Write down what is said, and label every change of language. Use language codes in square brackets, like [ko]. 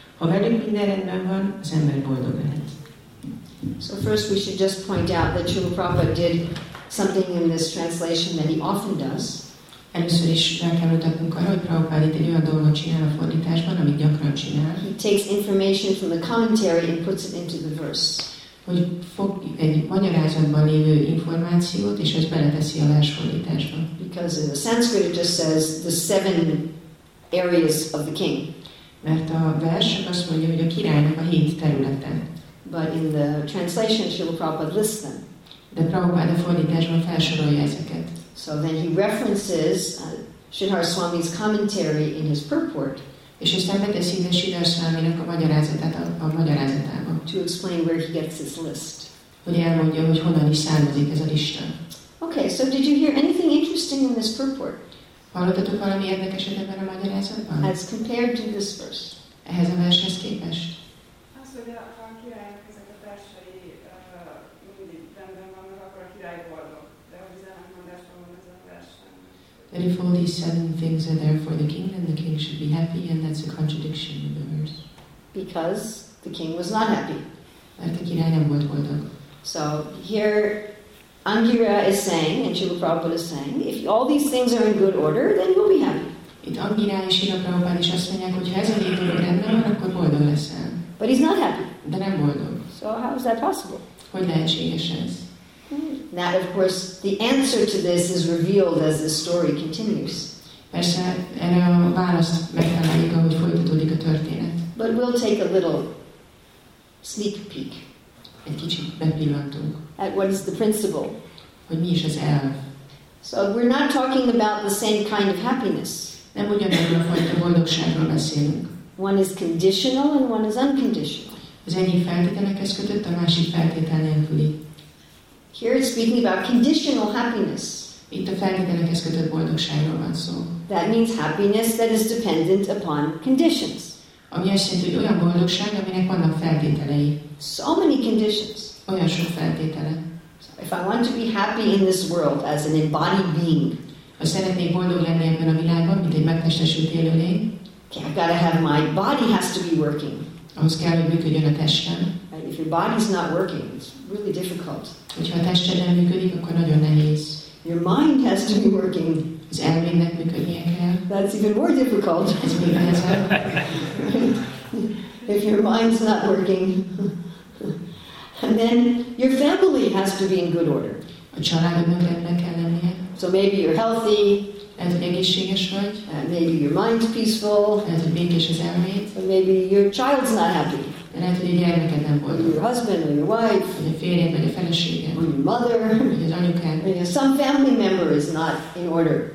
[hu] Ha velük minden rendben van, az ember boldog lehet. [en] So first we should just point out that Srila Prabhupada did something in this translation that he often does. [hu] Először is rá kell mutatnunk arra, hogy Prabhupada itt egy olyan dolgot csinál a fordításban, amit gyakran csinál. [en] He takes information from the commentary and puts it into the verse. [hu] Hogy fog egy magyarázatban lévő információt, és ezt beleteszi a versfordításba. [en] Because in the Sanskrit it just says the seven areas of the king. [hu] Mert a vers azt mondja, hogy a királynak a hét területe. [en] But in the translation Srila Prabhupada lists them. [hu] De Prabhupada fordításban felsorolja ezeket. [en] So then he references Shridhar Swami's commentary in his purport. [hu] És aztán beteszi ide Shridhar Swaminak a magyarázatát a magyarázatába. [en] To explain where he gets this list. [hu] Hogy elmondja, hogy honnan is származik ez a lista. [en] Okay, so did you hear anything interesting in this purport? [hu] Hallottatok valami érdekeset ebben a magyarázatban? [en] As compared to this verse. [hu] Ehhez a vershez képest. Az, hogy ha a királynak ezek a társai mindig rendben vannak, akkor a király boldog. De hogy ez nem mondás van ez a versen. [en] That if all these seven things are there for the king, then the king should be happy, and that's a contradiction in the verse. because the king was not happy. [hu] Mert a király nem volt boldog. [en] So here Angira is saying, and Srila Prabhupada is saying, if all these things are in good order, then you'll be happy. [hu] Itt Angira és Srila Prabhupada is azt mondják, hogy ha ez a négy dolog rendben van, akkor boldog leszel. [en] But he's not happy. [hu] De nem boldog. [en] So how is that possible? [hu] Hogy lehetséges ez? [en] Now, of course, the answer to this is revealed as the story continues. [hu] Persze, erre a választ megtaláljuk, ahogy folytatódik a történet. [en] But we'll take a little sneak peek. [hu] Egy kicsit bepillantunk. [en] At what is the principle? [hu] Hogy mi is az elv? [en] So we're not talking about the same kind of happiness. [hu] Nem ugyanazon a fajta boldogságról beszélünk. [en] One is conditional and one is unconditional. [hu] Az egyik feltételekhez kötött, a másik feltétel nélküli. [en] Here it's speaking about conditional happiness. [hu] Itt a feltételekhez kötött boldogságról van szó. [en] That means happiness that is dependent upon conditions. [hu] Ami azt jelenti, hogy olyan boldogság, aminek vannak feltételei. [en] So many conditions. [hu] Olyan sok feltétele. [en] So if I want to be happy in this world as an embodied being, [hu] ha szeretnék boldog lenni ebben a világban, mint egy megtestesült élőlény, [en] okay, I've got to have my body has to be working. [hu] Ahhoz kell, hogy működjön a testem. [en] If your body's not working, it's really difficult. [hu] Hogyha a tested nem működik, akkor nagyon nehéz. [en] Your mind has to be working. [hu] Az elmének működnie kell. [en] That's even more difficult. [hu] Ez még nehezebb. [en] If your mind's not working, and then your family has to be in good order. [hu] A családodnak rendben kell lennie. [en] So maybe you're healthy. [hu] Lehet, hogy egészséges vagy. [en] Maybe your mind's peaceful. [hu] Lehet, hogy békés az elméd. [en] Or maybe your child's not happy. [hu] Lehet, hogy a gyermeked nem boldog. [en] Your husband or your wife. [hu] Vagy a férjed vagy a feleséged. [en] Or your mother. [hu] Vagy az anyukád. [en] Maybe some family member is not in order.